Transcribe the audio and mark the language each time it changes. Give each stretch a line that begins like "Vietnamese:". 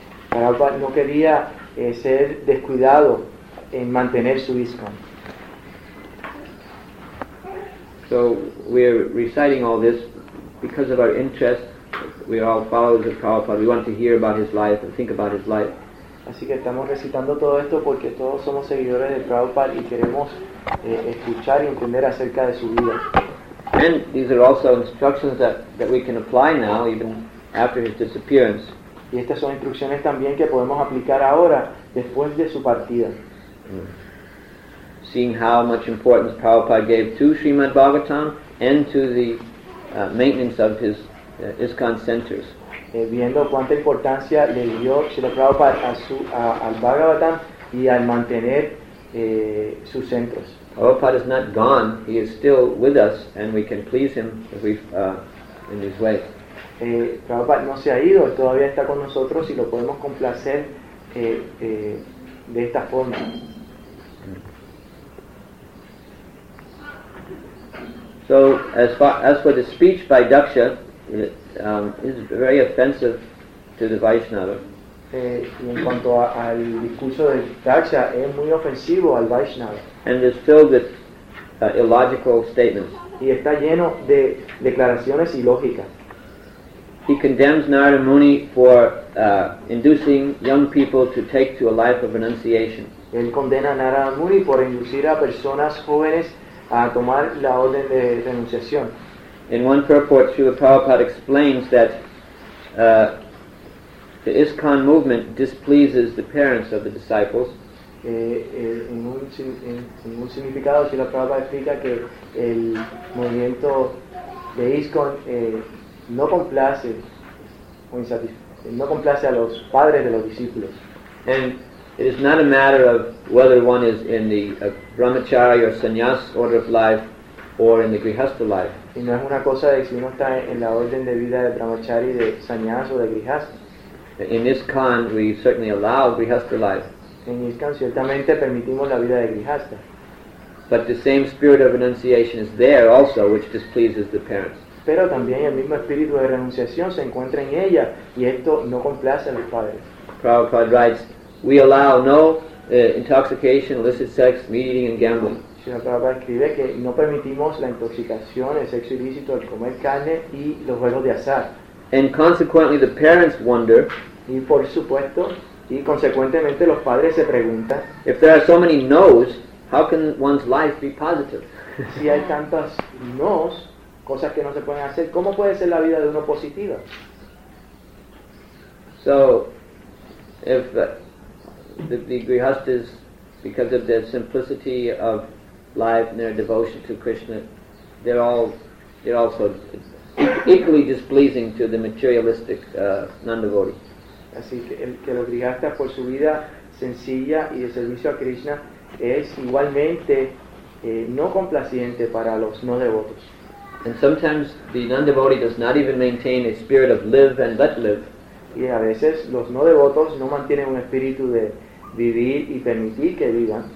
Spanish: Prabhupada no quería ser descuidado en mantener su ISKCON.
English: So we are reciting all this because of our interest. We are all followers of Prabhupada. We want to hear about his life and think about his life.
Spanish: Así que estamos recitando todo esto porque todos somos seguidores de Prabhupada y queremos escuchar y entender acerca de su vida.
English: And these are also instructions that we can apply now, even after his disappearance.
Spanish: Y estas son instrucciones también que podemos aplicar ahora, después de su partida. Mm.
English: Seeing how much importance Prabhupada gave to Srimad Bhagavatam and to the maintenance of his ISKCON centers.
Spanish: Viendo cuánta importancia le dio Srila Prabhupada al Bhagavatam y al mantener sus centros.
English: Prabhupada is not gone. He is still with us and we can please him if we in his way.
Spanish: Prabhupada no se ha ido. Todavía está con nosotros y lo podemos complacer de esta forma.
English: So as for the speech by Daksha, is very offensive to the Vaishnava.
Spanish: En cuanto al discurso de Daksha, es muy ofensivo al Vaishnava.
English: And it's filled with illogical statements.
Spanish: Y está lleno de declaraciones ilógicas.
English: He condemns Narada Muni for inducing young people to take to a life of renunciation.
Spanish: Él condena a Narada Muni por inducir a personas jóvenes a tomar la orden de renunciación.
English: In one purport, Srila Prabhupada explains that the ISKCON movement displeases the parents of the disciples.
Spanish: En un significado, Srila Prabhupada explica que el movimiento de ISKCON no complace a los padres de los discípulos.
English: And it is not a matter of whether one is in the brahmachari or sannyas order of life or in the grihastha life.
Spanish: Y no es una cosa de si uno está en la orden de vida de brahmachari, de sannyas o de grihastha.
English: In ISKCON, we certainly allow grihastha life.
Spanish: En ISKCON, ciertamente permitimos la vida de grihastha.
English: But the same spirit of renunciation is there also, which displeases the parents.
Spanish: Pero también el mismo espíritu de renunciación se encuentra en ella, y esto no complace a los padres.
English: Prabhupada writes, we allow no intoxication, illicit sex, meat eating, and gambling.
Spanish: Srila Prabhupada escribe que no permitimos la intoxicación, el sexo ilícito, el comer carne y los juegos de azar.
English: And consequently, the parents wonder.
Spanish: Y por supuesto, y consecuentemente, los padres se preguntan.
English: If there are so many no's, how can one's life be positive?
Spanish: Si hay tantas no's, cosas que no se pueden hacer, ¿cómo puede ser la vida de uno positiva?
English: So, if the grihasthas, because of their simplicity of life and their devotion to Krishna, they're also equally displeasing to the materialistic non-devotee.
Spanish: Así que los grihasthas por su vida sencilla y de servicio a Krishna es igualmente no complaciente para los no devotos.
English: And sometimes the non-devotee does not even maintain a spirit of live and let live.
Spanish: Y a veces los no devotos no mantienen un espíritu de vivir y permitir que vivan.